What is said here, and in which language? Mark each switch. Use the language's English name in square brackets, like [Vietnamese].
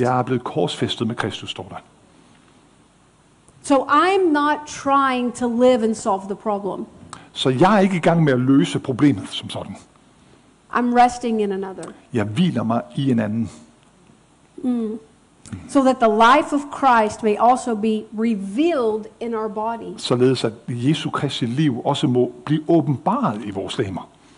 [Danish] Jeg er blevet korsfæstet med Kristus, står der. [English] So I'm not trying to live and solve the problem. [Danish] Så jeg er ikke i gang med at løse problemet som sådan. [English] I'm resting in another. [Danish] Jeg hviler mig i en anden. [English] So that the life of Christ may also be revealed in our body. [Danish] Således at Jesu Kristi liv også må blive åbenbart i vores legemer.